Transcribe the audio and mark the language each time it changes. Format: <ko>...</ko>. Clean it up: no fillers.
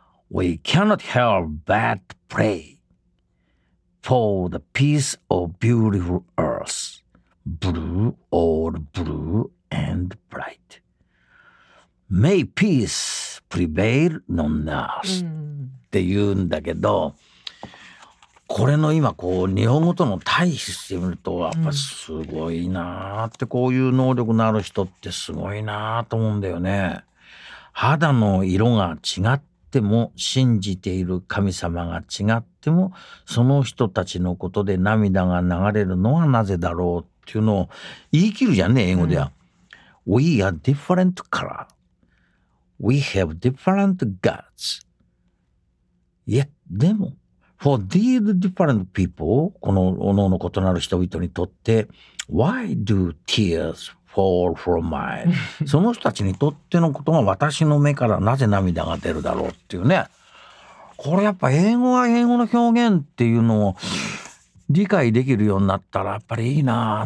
<en>We cannot help but pray for the peace of beautiful earth, blue, all blue and bright. May peace prevail on earth.</en> <ja>って言うんだけどこれの今こう日本語との対比してみるとやっぱすごいなーってこういう能力のある人ってすごいなーと思うんだよね肌の色が違っても信じている神様が違ってもその人たちのことで涙が流れるのはなぜだろうっていうのを言い切るじゃんね英語では、うん、</ja> <en>We are different color We have different gods Yet,</en> <ja>でも</ja> <en>For these different people,</en> <ja>この各々異なる人々にとって、</ja> <en>Why do tears fall from my?</en> <ja>その人たちにとってのことが私の目からなぜ涙が出るだろうっていうね。これやっぱ英語は英語の表現っていうのを理解できるようになったらやっぱりいいな。</ja>